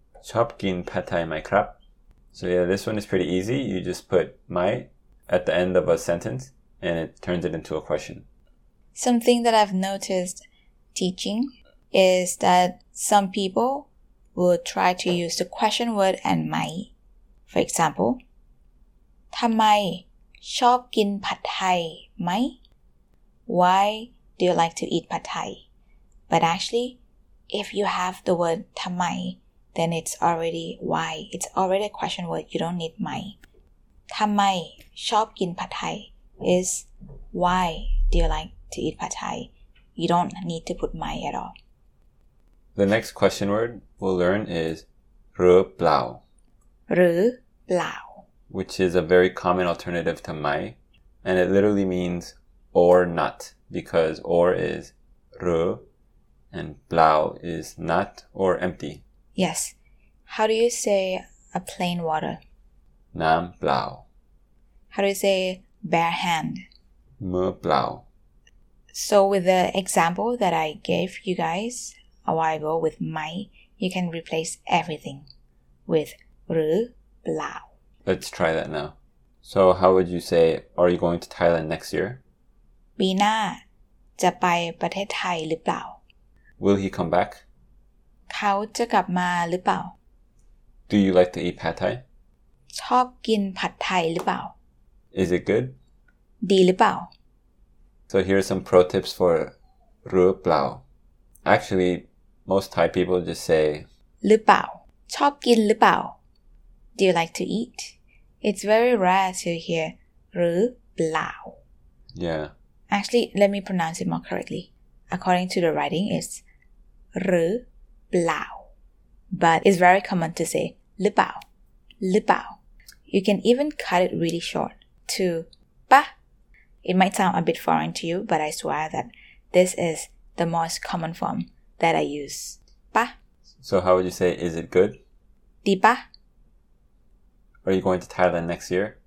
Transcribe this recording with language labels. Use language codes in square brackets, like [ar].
[th] ชอบกินผัดไทยไหมครับ? [en] So yeah, this one is pretty easy. You just put mai at the end of a sentence and it turns it into a question. Something that I've noticed teaching is that some people will try to use the question word and mai. [th] For example, ทำไมชอบกินผัดไทยไหม? [en] Why do you like to eat pad thai? But actually, if you have the word ทำไม, then it's already why. It's already a question word. You don't need mai. [th] ทำไมชอบกินผัดไทย [en] is why do you like to eat pad thai? You don't need to put mai at all. The next question word we'll learn is หรือเปล่า. [th] หรือเปล่า. [en] Which is a very common alternative to mai. And it literally means or not. Because or is ru and เปล่า is not or empty. Yes. How do you say a plain water? [th] Nam plow. [en] How do you say bare hand? [th] Mu plow. [en] So with the example that I gave you guys a while ago with mai, you can replace everything with ru plow. Let's try that now. So how would you say, are you going to Thailand next year? [th] ปีหน้าจะไปประเทศไทยหรือเปล่า? [en] Will he come back? [th] เขาจะกลับมาหรือเปล่า? [en] Do you like to eat pad thai? [th] ชอบกินผัดไทยหรือเปล่า? [en] Is it good? [th] ดีหรือเปล่า? [en] So here are some pro tips for หรือเปล่า. Actually, most Thai people just say [th] หรือเปล่า. ชอบกินหรือเปล่า? [en] Do you like to eat? It's very rare to hear หรือเปล่า. Yeah. Actually, let me pronounce it more correctly. According to the writing, it's หรือ. But it's very common to say หรือเปล่า, หรือเปล่า. You can even cut it really short to ป่ะ. It might sound a bit foreign to you, but I swear that this is the most common form that I use. [th] ป่ะ. [en] So how would you say, is it good? [th] ดีป่ะ. [en] Are you going to Thailand next year?